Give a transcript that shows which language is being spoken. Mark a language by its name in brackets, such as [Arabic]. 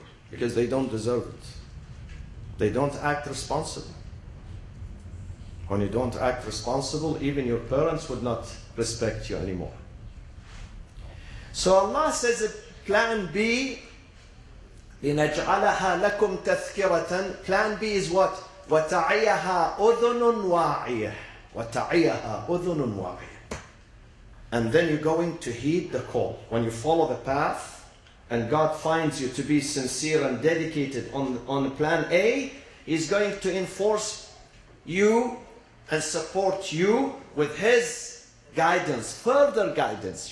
[English] Because they don't deserve it. They don't act responsible. When you don't act responsible, even your parents would not respect you anymore. So Allah says that plan B, [Arabic] لِنَجْعَلَهَا لَكُمْ تَذْكِرَةً. [English] Plan B is what? [Arabic] وتعيها أذن واعية وتعيها أذن واعية. [English] And then you're going to heed the call. When you follow the path and God finds you to be sincere and dedicated on plan A, He's going to enforce you and support you with His guidance, further guidance.